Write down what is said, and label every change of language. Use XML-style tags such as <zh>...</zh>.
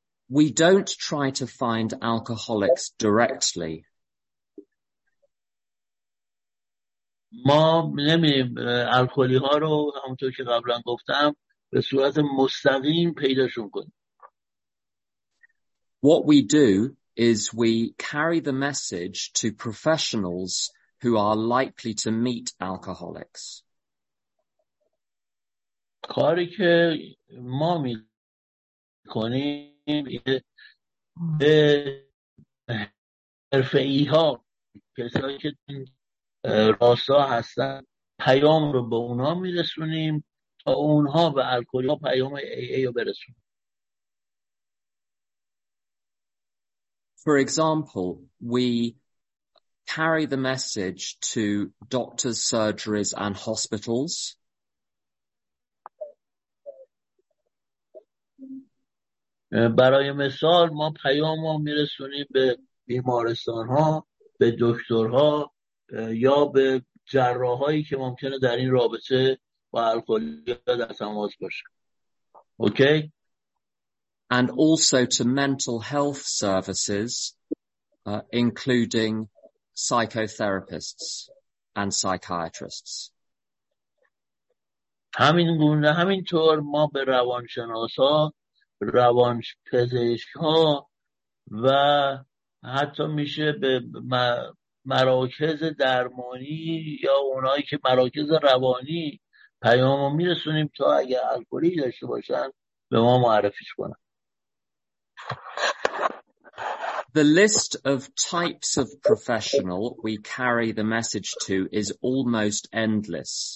<en>We don't try to find alcoholics directly.</en> <fa>ما نمی‌ریم الکلی‌ها رو همونطور که قبلا گفتم به صورت مستقیم پیداشون کنیم.</fa> <en>What we do is we carry the message to professionals who are likely to meet alcoholics.</en> <fa>کاری که ما می کنیم به حرفه‌ای ها، کسایی که راستا هستن، پیام رو به اونا می رسونیم تا اونها به الکلی ها پیام ای ای رو برسونیم.</fa> <en>For example, we carry the message to doctors, surgeries, and hospitals.</en> <fa>برای مثال ما پیام رو میرسونیم به بیمارستان ها، به دکترها یا به جراحایی که ممکنه در این رابطه با الکلی در تماس باشه. اوکی؟</fa> <en>And also to mental health services, including psychotherapists and psychiatrists.</en> <fa>همین گونه همینطور ما به روانشناسا، روانپزشکا و حتی میشه به مراکز درمانی یا اونایی که مراکز روانی پیامو میرسونیم تا اگه الکلی داشته باشن به ما معرفیش کنن.</fa> <en>The list of types of professional we carry the message to is almost endless.</en>